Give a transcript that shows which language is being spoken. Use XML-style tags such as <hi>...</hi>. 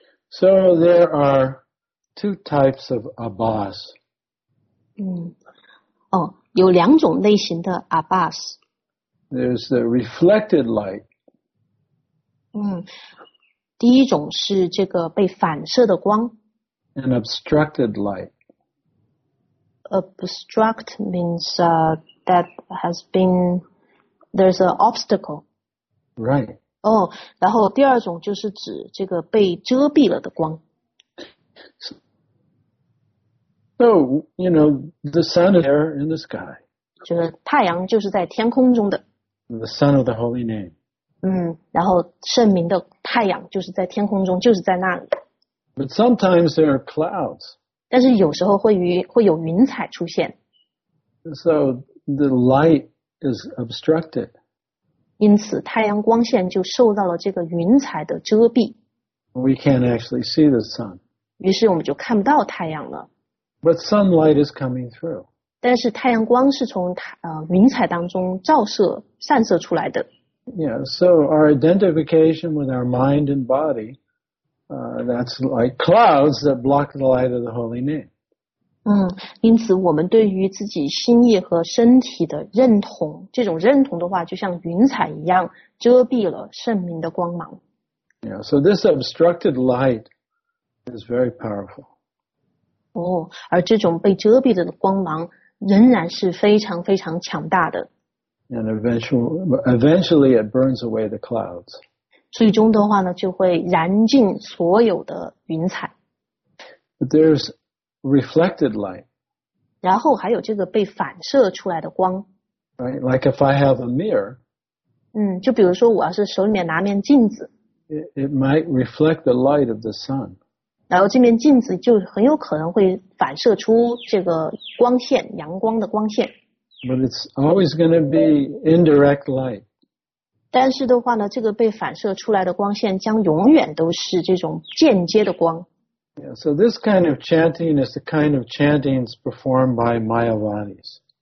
<en>So there are two types of Abbas.</en> <zh>有两种类型的 Abbas.</zh> <en>There's the reflected light.</en> <zh>第一种是这个被反射的光。</zh> <en>An obstructed light. Obstruct means that has been, there's an obstacle. Right.</en> <zh>然后第二种就是指这个被遮蔽了的光。</zh> <en>So, you know, the sun is there in the sky.</en> <zh>就是太阳就是在天空中的。</zh> <en>The sun of the holy name.</en> <zh>然后圣名的太阳就是在天空中，就是在那里。</zh> <en>But sometimes there are clouds.</en> <zh>但是有时候会有云彩出现。</zh> <en>So the light is obstructed.</en> <zh>因此太阳光线就受到了这个云彩的遮蔽。</zh> <en>We can't actually see the sun.</en> <zh>于是我们就看不到太阳了。</zh> <en>But sunlight is coming through.</en> <zh>但是太阳光是从云彩当中照射、散射出来的。</zh> <en>Yeah, so our identification with our mind and body, that's like clouds that block the light of the holy name.</en> <zh>因此我们对于自己心意和身体的认同，这种认同的话就像云彩一样遮蔽了圣名的光芒。</zh> <en>Yeah, so this obstructed light is very powerful.</en> <zh>而这种被遮蔽的光芒仍然是非常非常强大的。</zh> <en>And eventually it burns away the clouds.</en> <zh>最终的话呢就会燃尽所有的云彩。</zh> <en>But there's reflected light.</en> <zh>然后还有这个被反射出来的光。</zh> <en>Right, like if I have a mirror.</en> <zh>就比如说我要是手里面拿面镜子。</zh> <en>It might reflect the light of the sun.</en> <zh>然后这面镜子就很有可能会反射出这个光线，阳光的光线。</zh> <en>But it's always going to be indirect light.</en> <zh>但是的话呢，这个被反射出来的光线将永远都是这种间接的光。</zh> <en>Yeah, so this kind of chanting is the kind of chantings performed by Mayavadis.</en>